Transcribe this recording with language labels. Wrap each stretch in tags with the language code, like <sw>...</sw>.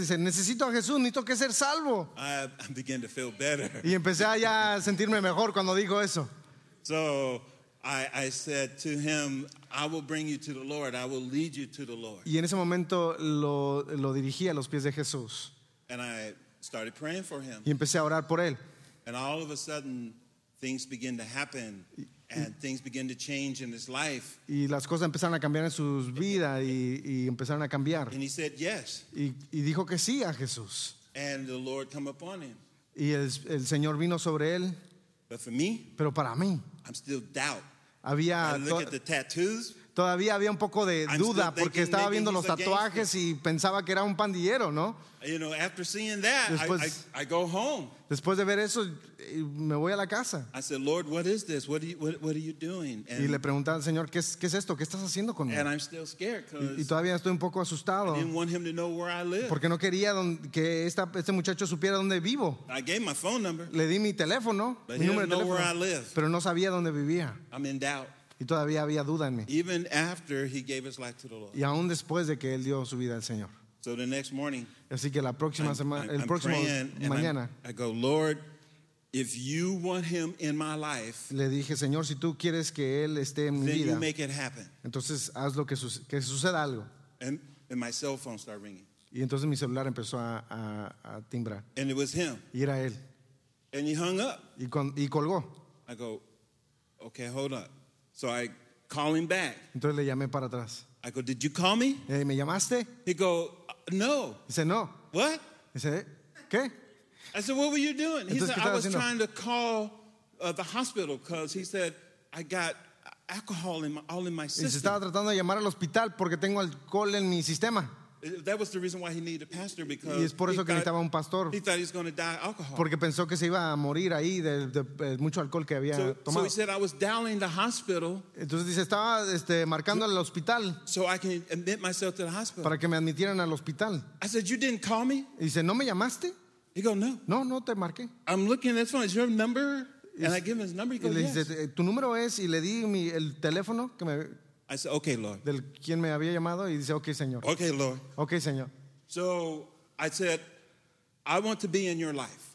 <es>Dice, necesito a Jesús, necesito que ser salvo.</es> <en>I began to feel better.</en> <es>Y empecé ya a sentirme mejor cuando dijo eso.</es> <en>So I said to him, I will bring you to the Lord. I will lead you to the Lord.</en> <es>Y en ese momento lo dirigí a los pies de Jesús.</es> <en>And I started praying for him.</en> <es>Y empecé a orar por él.</es> <en>And all of a sudden, things begin to happen. And things begin to change in his life.</en> <es>Y las cosas empezaron a cambiar en sus vidas y empezaron a cambiar.</es> <en>And he said yes.</en> <es>Y dijo que sí a Jesús.</es> <en>And the Lord come upon him.</en> <es>Y el Señor vino sobre él.</es> <en>But for me,</en> <es>pero para mí,</es> <en>I'm still doubt.</en> <es>Había</es> <en>look at the tattoos.</en> <es>Todavía había un poco de duda porque estaba viendo los tatuajes y pensaba que era un pandillero, ¿no?</es> <en>You know, after seeing that, después, I go home.</en> <es>Después de ver eso, me voy a la casa.</es> <en>I said, Lord, what is this? What are you doing?</en> <es>And, y le preguntaba al Señor, ¿qué es esto? ¿Qué estás haciendo conmigo?</es> <en>And I'm still scared because</en> <es>y todavía estoy un poco asustado.</es> <en>I didn't want him to know where I live.</en> <es>Porque no quería que este muchacho supiera dónde vivo.</es> <en>I gave my phone number.</en> <es>Le di mi teléfono,</es> <en>but</en> <es>mi número de teléfono.</es> <en>He didn't know where I live.</en> <es>Pero no sabía dónde vivía.</es> <en>I'm in doubt.</en> <es>Y todavía había duda en mí.</es> <en>Even after he gave his life to the Lord.</en> <es>Y aún después de que él dio su vida al Señor.</es> <en>So the next morning.</en> <es>Así que la próxima semana, el próximo mañana.</es> <en>I go, Lord, if you want him in my life.</en> <es>Le dije, Señor, si tú quieres que él esté en mi vida.</es> <en>Then you make it happen.</en> <es>Entonces haz lo que suceda algo.</es> <en>And my cell phone started ringing.</en> <es>Y entonces mi celular empezó a timbrar.</es> <en>And it was him.</en> <es>Y era él.</es> <en>And he hung up.</en> <es>Y colgó.</es> <en>I go, okay, hold up. So I calling back.</en> <es>Entonces le llamé para atrás.</es> <en>I go, did you call me?</en> <es>Hey, ¿me llamaste?</es> <en>He go, no.</en> <es>Dice, no.</es> <en>What?</en> <es>Dice, ¿qué?</es> <en>I said, what were you doing? He</en> <es>Entonces,</es> <en>said, I was</en> <es>haciendo?</es> <en>Trying to call the hospital because he said, I got alcohol in my, all in my system.</en> <es>Y se estaba tratando de llamar al hospital porque tengo alcohol en mi sistema.</es> <en>That was the reason why he needed a pastor because</en> <es>y es por eso que necesitaba un pastor.</es> <en>He thought he was going to die alcohol.</en> <es>Porque pensó que se iba a morir ahí de mucho alcohol que había tomado.</es> <en>So he said I was dialing the hospital.</en> <es>Entonces dice estaba marcando al hospital.</es> <en>So I can admit myself to the hospital.</en> <es>Para que me admitieran al hospital.</es> <en>I said you didn't call me.</en> <es>Y dice no me llamaste.</es> <en>He go no.</en> <es>No no te marqué.</es> <en>I'm looking at this one. Is your number? And I give him his number. He goes,</en> <es>y le dice</es> <en>yes.</en> <es>Tu número es y le di mi el teléfono que me.</es> <en>I said, okay, Lord.</en> <es>Del quien me había llamado y dice, okay, señor.</es> <en>Okay, Lord.</en> <es>Okay, señor.</es> <en>So I said, I want to be in your life.</en>